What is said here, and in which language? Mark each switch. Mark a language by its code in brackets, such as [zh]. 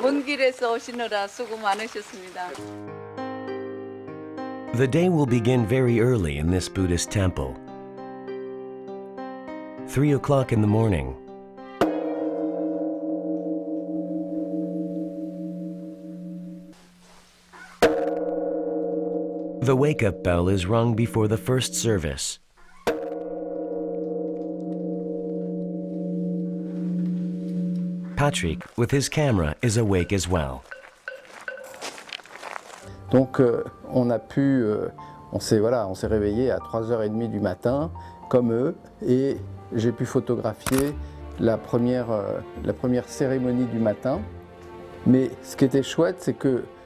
[ko] 먼 길에서 오시느라 수고 많으셨습니다. [en] The day will begin very early in this Buddhist temple. 3 o'clock in the morning. The wake-up bell is rung before the first service. Patrick, with his camera, is awake as well. [fr] Donc on a pu, on s'est réveillé à 3h30 du matin, comme eux, et j'ai pu photographier la première cérémonie du matin. Mais ce qui était chouette, c'est que